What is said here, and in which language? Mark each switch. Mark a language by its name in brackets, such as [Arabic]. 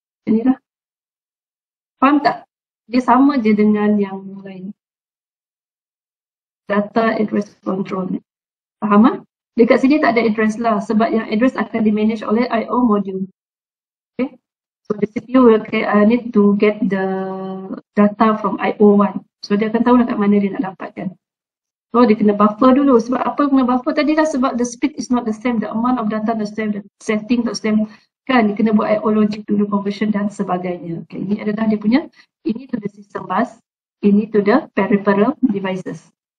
[Malay] Inilah. Faham tak? Dia sama je dengan yang lain. Data address control. Faham tak? Dekat sini tak ada address lah, sebab yang address akan di-manage oleh IO module. Okay. [English] So the CPU will need to get the data from IO1. [Malay] So dia akan tahu dekat mana dia nak dapatkan. So dia kena buffer dulu. Sebab apa kena buffer tadi lah? [English] Sebab the speed is not the same, the amount of data not the same, the setting not the same. [Malay] Kan dia kena buat IO logic dulu, conversion dan sebagainya. Okay. Ini adalah dia punya, ini [English] to the system bus, [Malay] ini [English] to the peripheral devices.